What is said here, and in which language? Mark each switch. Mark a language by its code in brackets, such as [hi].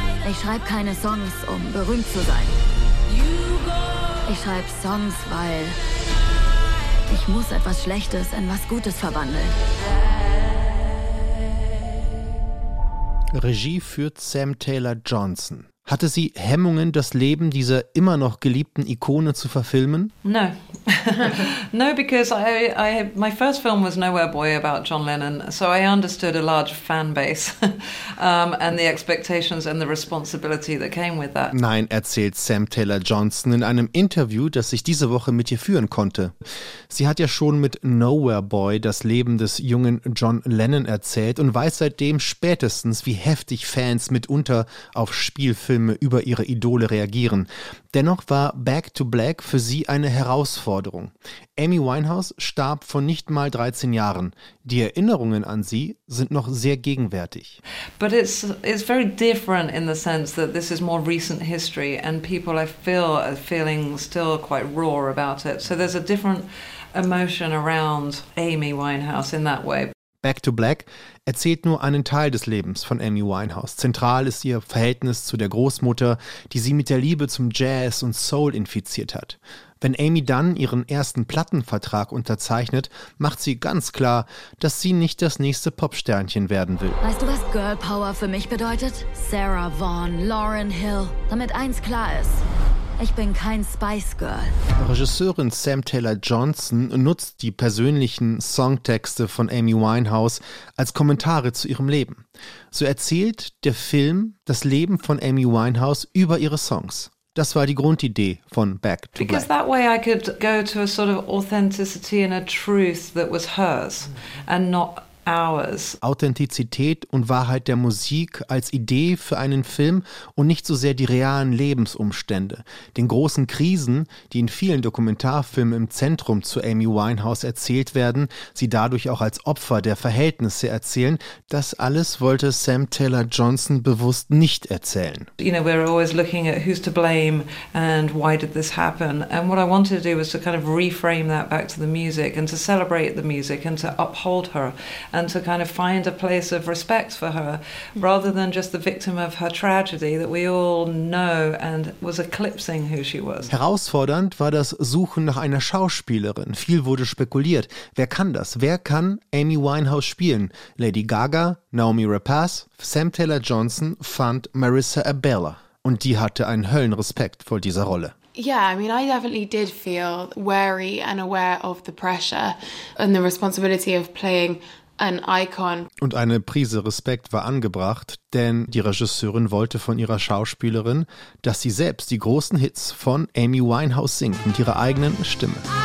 [de] Ich schreibe keine Songs, um berühmt zu sein. Ich schreibe Songs, weil ich muss etwas Schlechtes in was Gutes verwandeln. Regie führt Sam Taylor Johnson. Hatte sie Hemmungen, das Leben dieser immer noch geliebten Ikone zu verfilmen? [en] No. No, because I my first film was Nowhere Boy about John Lennon, so I understood a large fan base and the expectations and the responsibility that came with that. [de] Nein, erzählt Sam Taylor Johnson in einem Interview, das ich diese Woche mit ihr führen konnte. Sie hat ja schon mit Nowhere Boy das Leben des jungen John Lennon erzählt und weiß seitdem spätestens, wie heftig Fans mitunter auf Spielfilme über ihre Idole reagieren. Dennoch war Back to Black für sie eine Herausforderung. Amy Winehouse starb vor nicht mal 13 Jahren. Die Erinnerungen an sie sind noch sehr gegenwärtig. [en] But it's very different in the sense that this is more recent history and people I feel are feeling still quite raw about it. So there's a different emotion around Amy Winehouse in that way. [de] Back to Black erzählt nur einen Teil des Lebens von Amy Winehouse. Zentral ist ihr Verhältnis zu der Großmutter, die sie mit der Liebe zum Jazz und Soul infiziert hat. Wenn Amy dann ihren ersten Plattenvertrag unterzeichnet, macht sie ganz klar, dass sie nicht das nächste Popsternchen werden will. Weißt du, was Girl Power für mich bedeutet? Sarah Vaughan, Lauryn Hill. Damit eins klar ist: Ich bin kein Spice Girl. Regisseurin Sam Taylor Johnson nutzt die persönlichen Songtexte von Amy Winehouse als Kommentare zu ihrem Leben. So erzählt der Film das Leben von Amy Winehouse über ihre Songs. Das war die Grundidee von Back to Black. [en] Because that way I could go to a sort of authenticity and a truth that was hers and not ours. [de] Authentizität und Wahrheit der Musik als Idee für einen Film und nicht so sehr die realen Lebensumstände. Den großen Krisen, die in vielen Dokumentarfilmen im Zentrum zu Amy Winehouse erzählt werden, sie dadurch auch als Opfer der Verhältnisse erzählen, das alles wollte Sam Taylor Johnson bewusst nicht erzählen. [en] You know, we're always looking at who's to blame and why did this happen. And what I wanted to do was to kind of reframe that back to the music and to celebrate the music and to uphold her. And to kind of find a place of respect for her, rather than just the victim of her tragedy that we all know and was eclipsing who she was. [de] Herausfordernd war das Suchen nach einer Schauspielerin. Viel wurde spekuliert. Wer kann das? Wer kann Amy Winehouse spielen? Lady Gaga, Naomi Rapace, Sam Taylor Johnson fand Marissa Abella. Und die hatte einen Höllenrespekt vor dieser Rolle. [en] Yeah, I mean, I definitely did feel wary and aware of the pressure and the responsibility of playing an icon. [de] Und eine Prise Respekt war angebracht, denn die Regisseurin wollte von ihrer Schauspielerin, dass sie selbst die großen Hits von Amy Winehouse singt mit ihrer eigenen Stimme.